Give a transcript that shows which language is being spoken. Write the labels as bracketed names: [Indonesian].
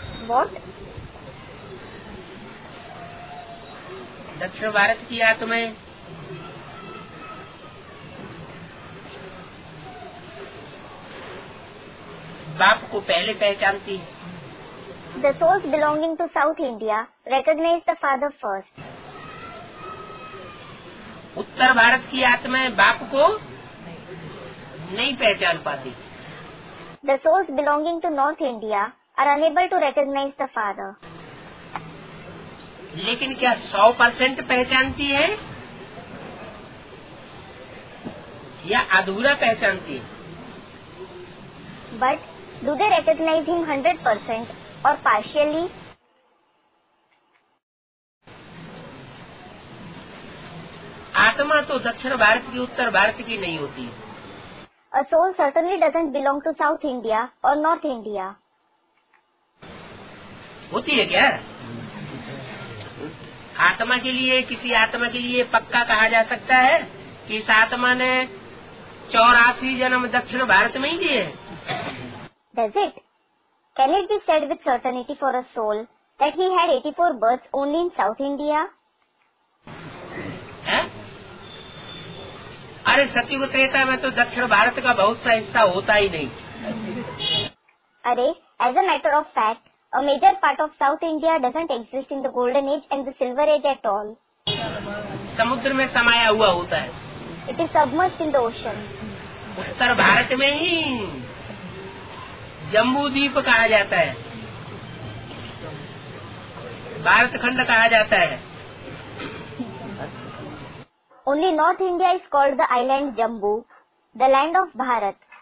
[English] What? [Hindi] दक्षिण भारत की आत्माएं बाप को पहले पहचानती है. [English] The souls belonging to South India recognize the father first. [Hindi] उत्तर भारत की आत्माएं बाप को नहीं पहचान पाती. [English] The souls belonging to north India are unable to recognise the father. [Hindi] लेकिन क्या 100% पहचानती है? या अधूरा पहचानती है। [English] But do they recognise him 100% और partially? [Hindi] आत्मा तो दक्षिण भारत की उत्तर भारत की नहीं होती। [English] A soul certainly doesn't belong to south India और north India. [Hindi] होती है क्या आत्मा के लिए? किसी आत्मा के लिए पक्का कहा जा सकता है कि इस आत्मा ने 84 जन्म दक्षिण भारत में ही दिए? [English] Does it? Can it be said with certainty for a soul that he had 84 births only in South India? [Hindi] अरे सत्युग त्रेता में तो दक्षिण भारत का बहुत सा हिस्सा होता ही नहीं। [English] अरे as a matter of fact, a major part of South India doesn't exist in the Golden Age and the Silver Age at all. [Hindi] समुद्र में समाया हुआ होता है। [English] It is submerged in the ocean. [Hindi] उत्तर भारत में ही जम्बू द्वीप कहा जाता है, भारत खंड कहा जाता है। [English] Only north India is called the island Jambu, the land of Bharat.